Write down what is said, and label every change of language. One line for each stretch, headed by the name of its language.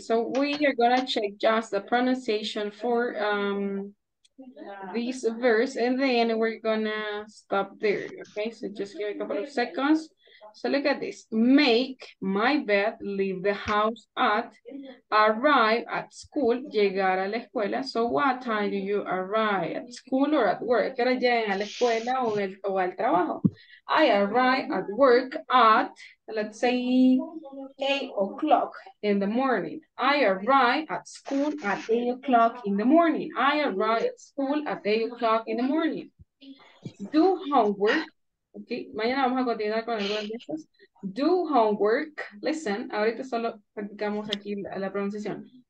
English: So we are gonna check just the pronunciation for this verse, and then we're gonna stop there. Okay, so just give me a couple of seconds. So look at this. Make my bed, leave the house at, arrive at school,
Spanish: llegar a la escuela.
English: So what time do you arrive at school or at work?
Spanish: ¿Qué hora llegan a la escuela o, el, o al trabajo?
English: I arrive at work at, let's say, 8 o'clock in the morning. I arrive at school at 8 o'clock in the morning. I arrive at school at 8 o'clock in the morning. Do homework.
Spanish: Okay, mañana vamos a continuar con algunas de estas.
English: Do homework, listen,
Spanish: ahorita solo practicamos aquí la pronunciación.